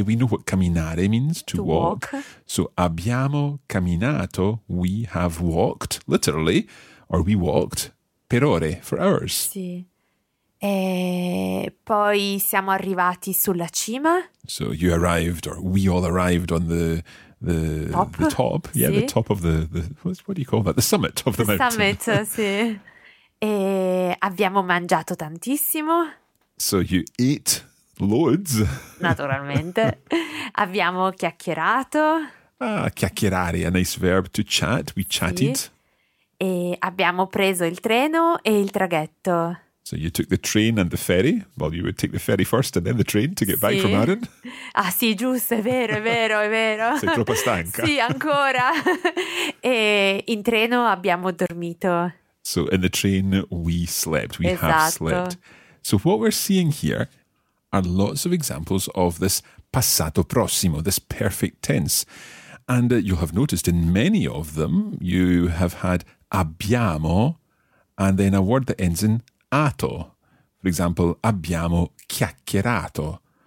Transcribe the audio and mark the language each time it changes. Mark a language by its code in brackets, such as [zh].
[en] We know what camminare means, to walk. So [it] abbiamo camminato, [en] we have walked, literally. Or we walked [it] per ore, [en] for hours. [it] Sì. E poi siamo arrivati sulla cima. [en] So you arrived, or we all arrived on the top. The top. [it] Sì. [en] Yeah, the top of the what do you call that? The summit of the mountain. Summit, sì. [it] E abbiamo mangiato tantissimo. [en] So you ate loads. [it] Naturalmente. Abbiamo chiacchierato. [en] Ah, chiacchierare, a nice verb to chat. We chatted. [it] Sì. E abbiamo preso il treno e il traghetto. [en] So you took the train and the ferry. Well, you would take the ferry first and then the train to get back from Arran. [it] Ah, sì, giusto, è vero. Sei troppo stanca. Sì, ancora. E in treno abbiamo dormito. [en] So in the train we slept. We [it] esatto. [en] have slept. So what we're seeing here are lots of examples of this passato prossimo, this perfect tense. And you'll have noticed in many of them, you have had abbiamo and then a word that ends in ato. For example, [it] abbiamo chiacchierato.